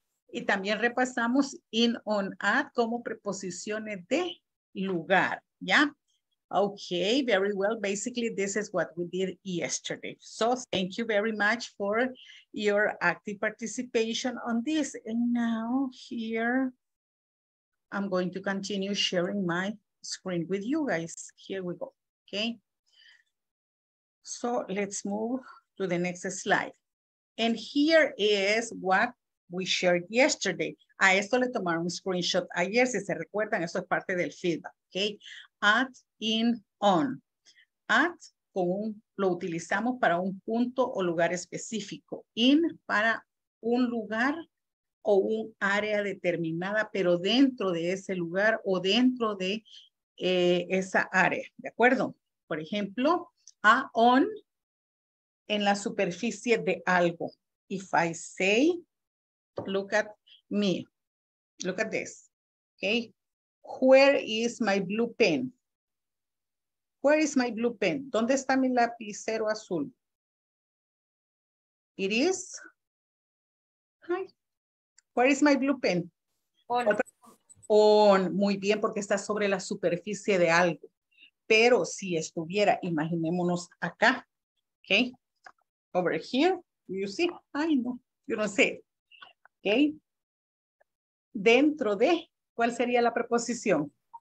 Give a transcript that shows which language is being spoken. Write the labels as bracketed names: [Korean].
[Spanish] Y también repasamos in, on, at como preposiciones de lugar. [English] Yeah? Okay, very well. Basically, this is what we did yesterday. So thank you very much for your active participation on this. And now here, I'm going to continue sharing my screen with you guys. Here we go. Okay. So let's move to the next slide. And here is what we shared yesterday. [Spanish] A esto le tomaron un screenshot ayer, si se recuerdan, esto es parte del feedback. Okay. [English] At, in, on. [Spanish] At, lo utilizamos para un punto o lugar específico. In, para un lugar o un área determinada, pero dentro de ese lugar o dentro de esa área, ¿de acuerdo? Por ejemplo, a on en la superficie de algo. [English] If I say, look at me, look at this, okay? Where is my blue pen? Where is my blue pen? [Spanish] ¿Dónde está mi lapicero azul? [English] It is, hi, where is my blue pen? [Spanish] Hola. on, muy bien, porque está sobre la superficie de algo. Pero si estuviera, imaginémonos acá, ok, [English] over here, you see, [Spanish] ay no, yo no sé, ok, dentro de, ¿cuál sería la preposición?